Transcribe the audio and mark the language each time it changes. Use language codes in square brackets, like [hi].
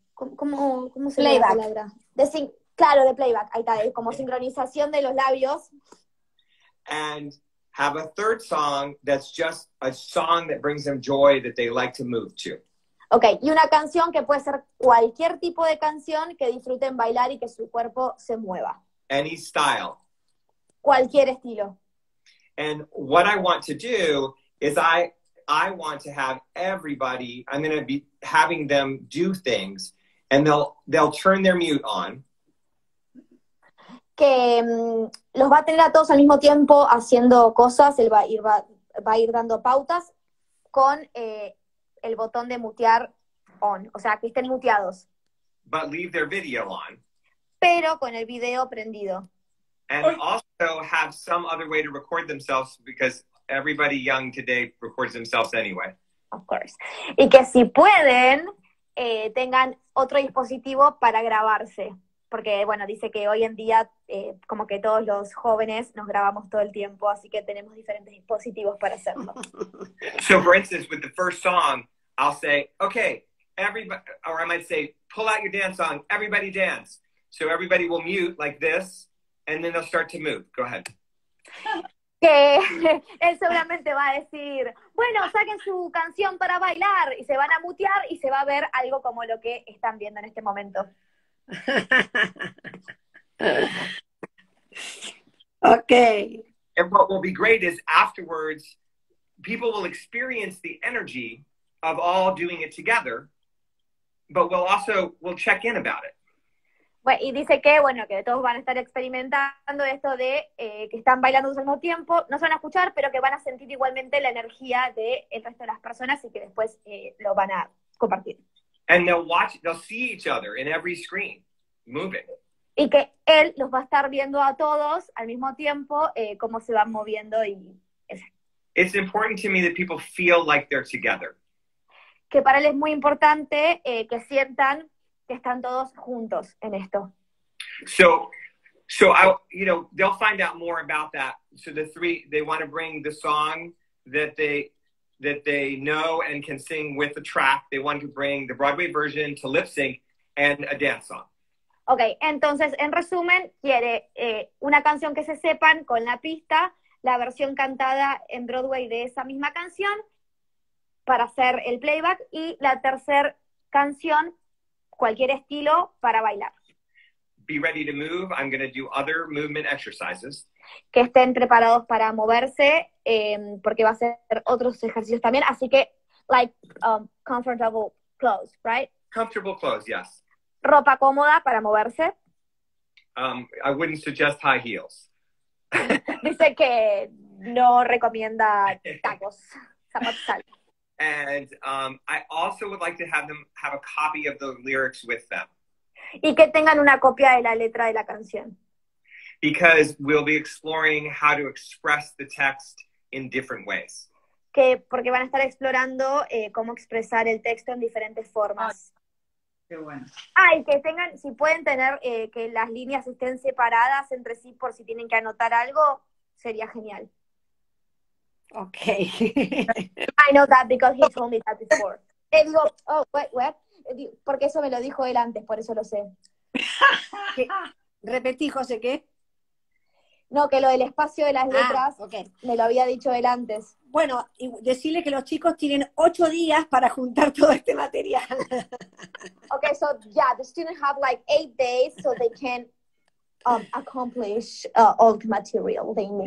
[es] ¿Cómo se llama la palabra? De playback, ahí está, como sincronización de los labios. [en] And have a third song that's just a song that brings them joy that they like to move to. [es] Okay, y una canción que puede ser cualquier tipo de canción que disfruten bailar y que su cuerpo se mueva. [en] Any style. [es] Cualquier estilo. [en] And what I want to do is I want to have everybody, I'm going to be having them do things, and they'll turn their mute on. [es] Que los va a tener a todos al mismo tiempo haciendo cosas, él va a ir dando pautas con el botón de mutear on, o sea, que estén muteados. [en] But leave their video on. [es] Pero con el video prendido. [en] And also have some other way to record themselves, because everybody young today records themselves anyway. Of course. [es] Y que si pueden, tengan otro dispositivo para grabarse. Porque, bueno, dice que hoy en día, como que todos los jóvenes nos grabamos todo el tiempo, así que tenemos diferentes dispositivos para hacerlo. [en] So, for instance, with the first song, I'll say, okay, everybody, or I might say, pull out your dance song, everybody dance. So everybody will mute like this, and then they'll start to move. Go ahead. [es] Que él seguramente va a decir, bueno, saquen su canción para bailar, y se van a mutear, y se va a ver algo como lo que están viendo en este momento. [en] Okay. And what will be great is afterwards, people will experience the energy of all doing it together, but we'll check in about it. [es] Bueno, y dice que, bueno, que todos van a estar experimentando esto de que están bailando al mismo tiempo, no se van a escuchar, pero que van a sentir igualmente la energía del resto de las personas y que después lo van a compartir. [en] And they'll see each other in every screen, moving. [es] Y que él los va a estar viendo a todos al mismo tiempo, cómo se van moviendo y... [en] It's important to me that people feel like they're together. [es] Que para él es muy importante que sientan que están todos juntos en esto. [en] So I, you know, they'll find out more about that. So the three, they want to bring the song that they know and can sing with the track. They want to bring the Broadway version to lip sync and a dance song. [es] Okay, entonces, en resumen, quiere una canción que se sepan con la pista, la versión cantada en Broadway de esa misma canción para hacer el playback, y la tercer canción, cualquier estilo, para bailar. [en] Be ready to move. I'm going to do other movement exercises. [es] Que estén preparados para moverse, porque va a ser otros ejercicios también. Así que, [en] like, comfortable clothes, right? Comfortable clothes, yes. [es] Ropa cómoda para moverse. [en] I wouldn't suggest high heels. [es] Dice que no recomienda tacos, zapatos altos. [en] And I also would like to have them have a copy of the lyrics with them. [es] Y que tengan una copia de la letra de la canción. [en] Because we'll be exploring how to express the text in different ways. [es] Que porque van a estar explorando cómo expresar el texto en diferentes formas. Qué bueno. Ah, y que tengan, si pueden tener que las líneas estén separadas entre sí por si tienen que anotar algo, sería genial. [en] Okay. I know that because he told me that before. [es] Le digo, [en] oh, what? [es] Porque eso me lo dijo él antes, por eso lo sé. ¿Qué? Repetí, José, ¿qué? No, que lo del espacio de las letras, [en] okay. [es] Me lo había dicho él antes. Bueno, y decirle que los chicos tienen 8 días para juntar todo este material. [en] Okay, so yeah, the students have like 8 days so they can accomplish all the material they need.